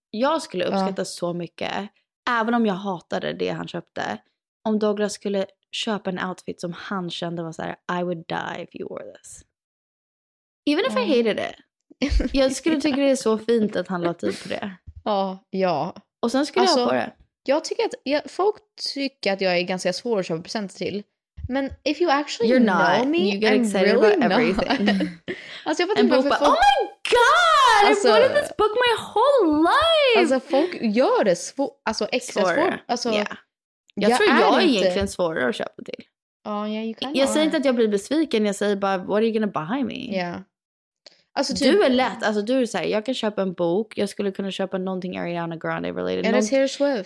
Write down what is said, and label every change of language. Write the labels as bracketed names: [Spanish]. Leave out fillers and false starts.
[Swedish] Jag skulle uppskatta så mycket, även om jag hatade det han köpte, om Douglas skulle köpa en outfit som han kände var så här, [English] I would die if you wore this. Even if I hated it. [Swedish] Jag skulle tycka det är så fint att han la tid på det. Ja, ja. Och sen skulle alltså, jag på det. Jag tycker att, folk tycker att jag är ganska svår att köpa present till. [English] Men if you actually know me, you get excited really about everything. [Swedish] Alltså jag fattar inte varför folk, [English] oh my god! Alltså, I've wanted this book my whole life! [Swedish] Alltså folk gör det extra svårt. Alltså, yeah. Jag tror jag är egentligen svårare att köpa till. Jag säger inte att jag blir besviken. Jag säger bara, [English] what are you gonna buy me? Yeah. [Swedish] Alltså, du är lätt. Alltså, du är så här, jag kan köpa en bok. Jag skulle kunna köpa någonting Ariana Grande related. Är det Taylor Swift?